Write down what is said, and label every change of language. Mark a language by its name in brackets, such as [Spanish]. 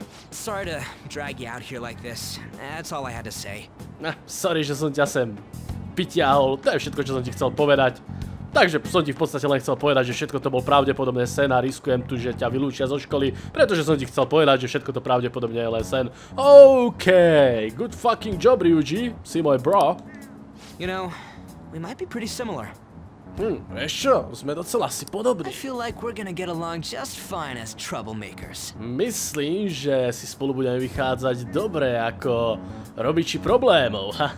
[English] Sorry to drag you out here like this. That's all I had to say. [Slovak] Sorry, že som ťa sem pitiahol. To je všetko, čo som ti chcel povedať. Takže som ti v podstate len chcel povedať, že všetko to bol pravdepodobne sen a riskujem tu, že ťa vylúčia zo školy, pretože som ti chcel povedať, že všetko to pravdepodobne je len sen. OK, [English] good fucking job, [Slovak] Ryuji, si môj bro. [English] You know, we might be pretty similar. [Slovak] Vieš čo, sme docela si podobní. [English] I feel like we're gonna get along just fine as troublemakers. [Slovak] Myslím, že si spolu budeme vychádzať dobre ako robiči problémov.